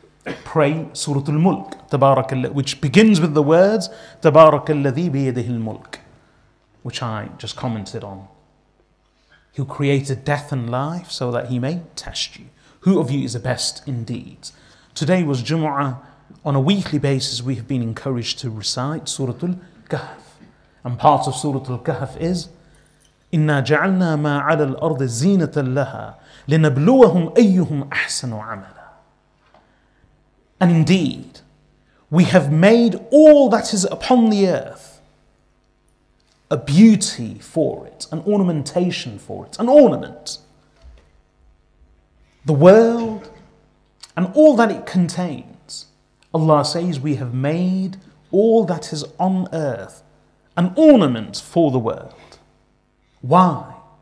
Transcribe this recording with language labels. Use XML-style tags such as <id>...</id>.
<en>pray Surah Al-Mulk, which begins with the words,</en> <ar>Tabarak alladhi biyadihi al-mulk,</ar> <en>which I just commented on. Who created death and life so that he may test you. Who of you is the best indeed? Today was Jumu'ah. On a weekly basis, we have been encouraged to recite Surah Al-Kahf. And part of Surah Al-Kahf is,</en> <ar>إِنَّا جَعَلْنَا مَا عَلَى الْأَرْضِ زِينَةً لَهَا لِنَبْلُوَهُمْ أَيُّهُمْ أَحْسَنُ عَمَلًا.</ar> <en>And indeed, we have made all that is upon the earth a beauty for it, an ornamentation for it, an ornament. The world and all that it contains, Allah says, we have made all that is on earth an ornament for the world. Why?</en>